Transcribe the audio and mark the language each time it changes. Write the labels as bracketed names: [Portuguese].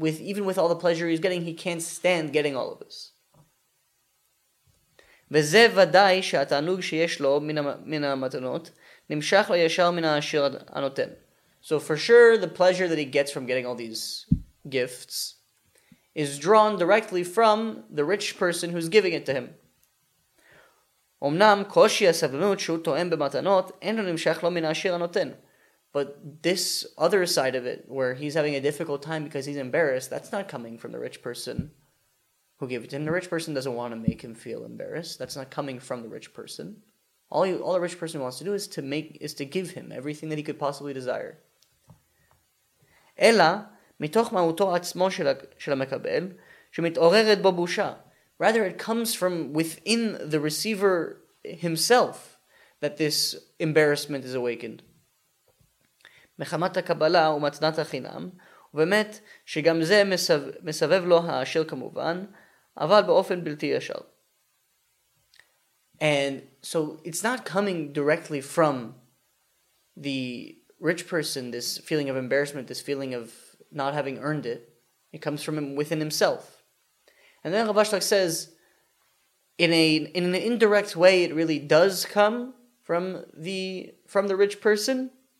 [English] Even with all the pleasure he's getting, he can't stand getting all of this. [Hebrew] וזה ודאי שהתענוג שיש לו מן המתנות נמשך לו ישר מן העשיר הנותן. [English] So for sure, the pleasure that he gets from getting all these gifts is drawn directly from the rich person who's giving it to him. [Hebrew] אמנם קושי הסבלנות שהוא תואם במתנות אין לו נמשך לו מן העשיר הנותן. [English] But this other side of it, where he's having a difficult time because he's embarrassed, that's not coming from the rich person who gave it to him. The rich person doesn't want to make him feel embarrassed. That's not coming from the rich person. All the rich person wants to do is to give him everything that he could possibly desire. [Hebrew] אלא, מתוך מהותו עצמו של המקבל, שמתעוררת בו בושה. [English] Rather, it comes from within the receiver himself that this embarrassment is awakened. [Hebrew] מחמת הקבלה ומתנת החינם, ובאמת שגם זה מסבב לו העשיר כמובן, אבל באופן בלתי ישר. [English] And so it's not coming directly from the rich person, this feeling of embarrassment, this feeling of not having earned it. It comes from him within himself. And then Rav Ashlag says, in an indirect way, it really does come from the rich person,